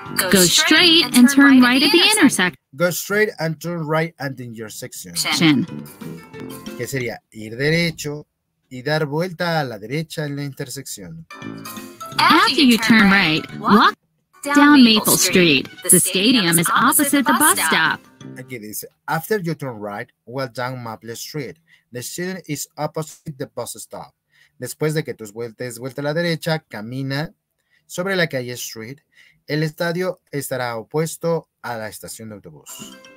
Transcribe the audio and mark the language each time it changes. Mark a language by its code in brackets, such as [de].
[en] Go straight and turn right at the intersection. Go straight and turn right at the intersection. [es] ¿Qué sería? Ir derecho y dar vuelta a la derecha en la intersección. [en] After you turn right, walk down Maple Street. The stadium is opposite the bus stop. [es] Aquí dice, [en] after you turn right, walk down Maple Street. The stadium is opposite the bus stop. [es] Después de que tú des vuelta a la derecha, camina sobre la calle Street. El estadio estará opuesto a la estación de autobús.